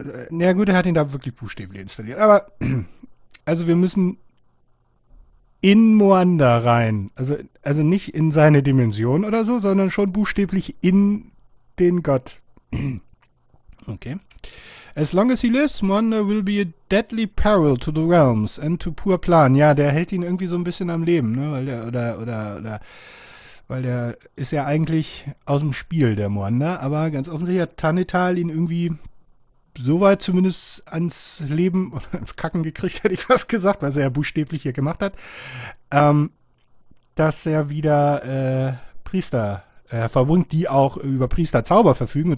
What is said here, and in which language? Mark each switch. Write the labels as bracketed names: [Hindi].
[German] Na gut, er hat ihn da wirklich buchstäblich installiert. Aber, also wir müssen in Moanda rein. Also nicht in seine Dimension oder so, sondern schon buchstäblich in den Gott. Okay. [English] As long as he lives, Moanda will be a deadly peril to the realms and to Pur Plan. [German] Ja, der hält ihn irgendwie so ein bisschen am Leben, ne? Weil der, weil der ist ja eigentlich aus dem Spiel, der Moanda, aber ganz offensichtlich hat Tanital ihn irgendwie so weit zumindest ans Leben oder ans Kacken gekriegt, hätte ich fast gesagt, was er ja buchstäblich hier gemacht hat, dass er wieder Priester verbringt, die auch über Priesterzauber verfügen.